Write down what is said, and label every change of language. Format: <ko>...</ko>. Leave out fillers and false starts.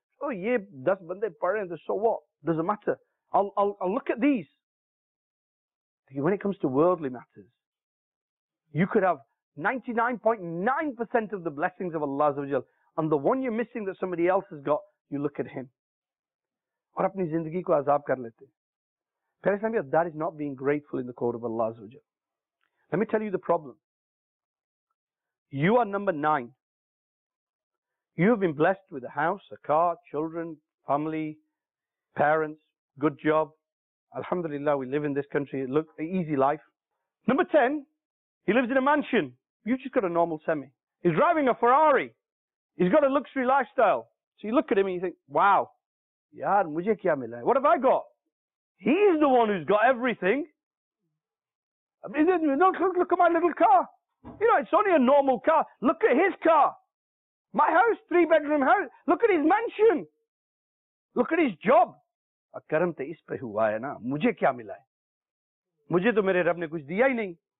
<en>Oh yeah, that's when they pray, and so what? Doesn't matter. I'll look at these. When it comes to worldly matters, you could have 99.9% of the blessings of Allah Azza wa Jal, and the one you're missing that somebody else has got, you look at him.</en> <ur>اور اپنی زندگی کو عذاب کر لیتے. Pehle samjho,</ur> <en>that is not being grateful in the court of Allah Azza wa Jal. Let me tell you the problem. You are number 9. You have been blessed with a house, a car, children, family, parents, good job. Alhamdulillah, we live in this country. It looks an easy life. Number 10, he lives in a mansion. You've just got a normal semi. He's driving a Ferrari. He's got a luxury lifestyle. So you look at him and you think, wow,</en> <ur>یار, مجھے کیا ملا?</ur> <en>What have I got? He's the one who's got everything. I mean, look at my little car. You know, it's only a normal car. Look at his car. My house, 3-bedroom house. Look at his mansion. Look at his job.</en> <ur>کرم تو اس پہ ہوا ہے نا, مجھے کیا ملا ہے, مجھے تو میرے رب نے کچھ دیا ہی نہیں.</ur>